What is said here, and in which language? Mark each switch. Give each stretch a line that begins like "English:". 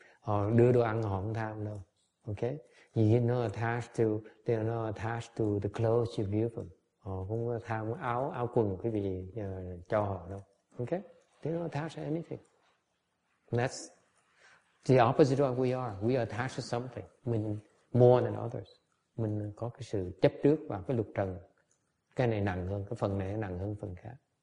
Vietnamese: Họ đưa đồ ăn, họ không tham đâu.
English: Okay? You are not attached to, they are not attached to the clothes you give them.
Vietnamese: Họ không tham áo quần quý vị cho họ đâu.
English: Okay? They are not attached to anything. That's the opposite of what we are. We are attached to something.
Vietnamese: Mình
English: more than others.
Vietnamese: Mình có cái sự chấp trước vào cái lục trần. Cái này nặng hơn, cái phần này nặng hơn phần khác.